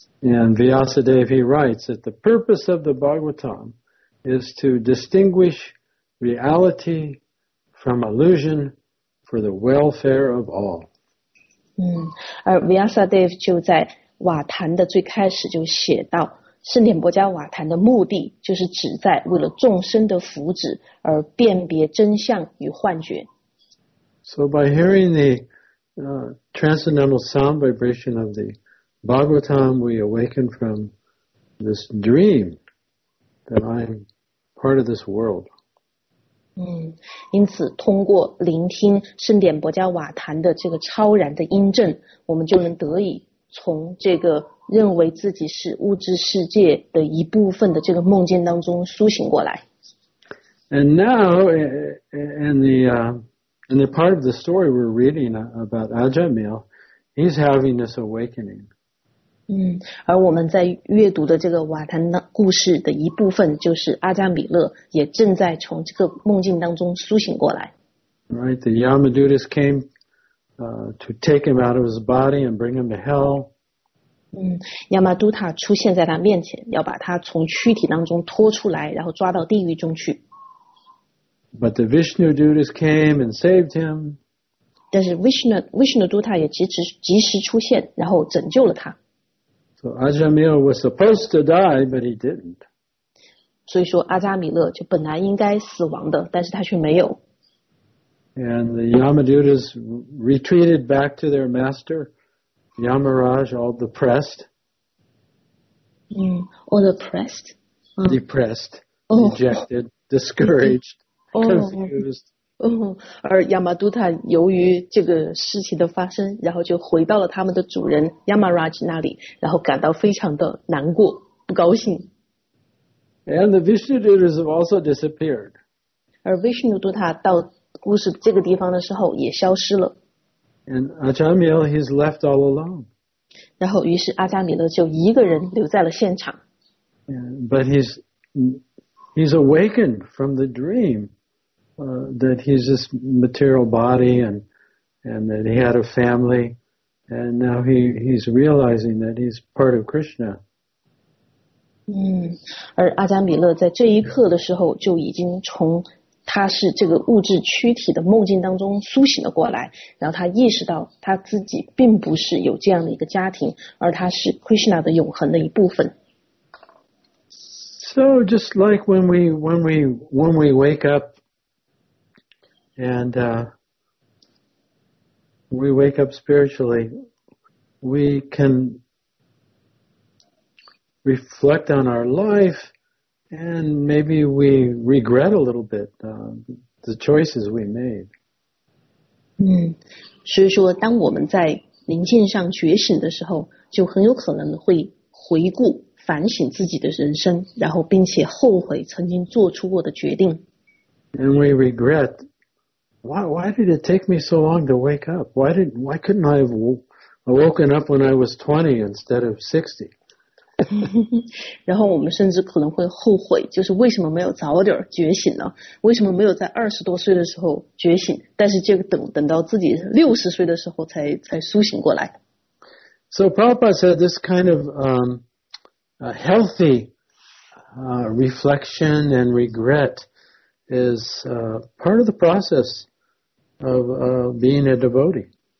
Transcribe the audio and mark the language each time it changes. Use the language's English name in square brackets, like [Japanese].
[English] And Vyasadeva writes that the purpose of the Bhagavatam is to distinguish reality from illusion for the welfare of all. [Chinese] 而 Vyasadeva 就在瓦坛的最开始就写到，圣典薄伽瓦坛的目的就是旨在为了众生的福祉而辨别真相与幻觉。 [English] So by hearing the transcendental sound vibration of the Bhagavatam, we awaken from this dream that I am part of this world. [Chinese] 因此通过聆听圣典薄伽瓦坛的这个超然的音证，我们就能得以从这个认为自己是物质世界的一部分的这个梦境当中苏醒过来。 [English] And now, in the part of the story we're reading about Ajamil, he's having this awakening. [Chinese] 而我们在阅读的这个瓦坛故事的一部分，就是阿加米勒也正在从这个梦境当中苏醒过来。 [English] Right, the Yamadutas came to take him out of his body and bring him to hell. [Chinese] 亚玛都塔出现在他面前，要把他从躯体当中拖出来，然后抓到地狱中去。 [English] But the Vishnu Dutas came and saved him. [Chinese] 但是Vishnu Duta也及时出现，然后拯救了他。 [English] So Ajamil was supposed to die, but he didn't. [Chinese] 所以说阿扎米勒就本来应该死亡的，但是他却没有。 [English] And the Yamadutas retreated back to their master, Yamaraj, all depressed. All depressed? Depressed, dejected, discouraged, confused. [Chinese] 而 Yamaduta 由于这个事情的发生，然后就回到了他们的主人 Yamaraj 那里，然后感到非常的难过，不高兴。 [English] And the Vishnudutas have also disappeared. [Chinese] 而 Vishnuduta 到故事这个地方的时候也消失了。 [English] And Ajamil, he's left all alone. [Chinese] 然后于是阿扎米勒就一个人留在了现场。 [English] But he's awakened from the dream, that he's this material body and that he had a family, and now he's realizing that he's part of Krishna. [Chinese] 而阿扎米勒在这一刻的时候就已经从他是这个物质躯体的梦境当中苏醒了过来，然后他意识到他自己并不是有这样的一个家庭，而他是 Krishna 的永恒的一部分。 [English] So just like when we wake up and we wake up spiritually, we can reflect on our life and maybe we regret a little bit the choices we made. [Chinese] 所以说当我们在灵性上觉醒的时候，就很有可能会回顾反省自己的人生，然后并且后悔曾经做出过的决定。 [English] And we regret, why did it take me so long to wake up? Why couldn't I have woken up when I was 20 instead of 60? [Chinese] 然后我们甚至可能会后悔，就是为什么没有早点觉醒呢？为什么没有在20多岁的时候觉醒？但是就等到自己60岁的时候才苏醒过来。 [English] So Prabhupada said this kind of a healthy reflection and regret is part of the process of being a devotee.